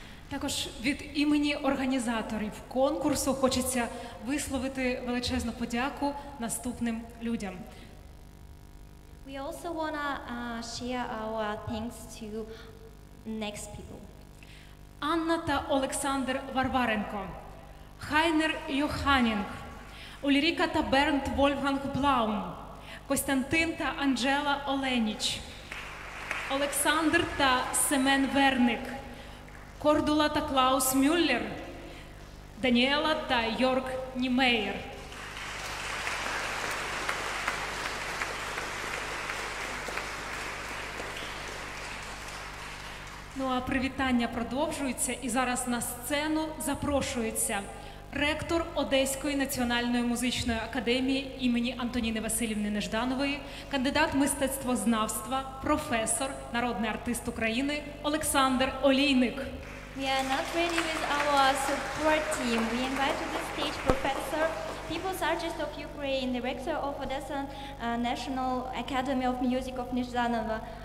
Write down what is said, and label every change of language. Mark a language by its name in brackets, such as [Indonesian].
[Ukrainian] Також від імені організаторів конкурсу хочеться висловити величезну подяку наступним людям. [English] We also want to share our thanks to next people. [Ukrainian] Анна та Олександр Варваренко, Хайнер Йоханінг, Ульріка та Бернт Вольфганг Блаум, Костянтин та Анджела Оленіч, Олександр та Семен Верник, Кордула та Клаус Мюллер, Даніела та Йорк Німейер. Ну, а привітання продовжується, і зараз на сцену запрошується ректор Одеської національної музичної академії імені Антоніни Васильівни Нежданової, кандидат мистецтвознавства, професор, народний артист України Олександр Олійник. [English] We are not ready with our support team. We invite to the stage professor, people's artist of Ukraine, the rector of Odessa National Academy of Music of Нежданова.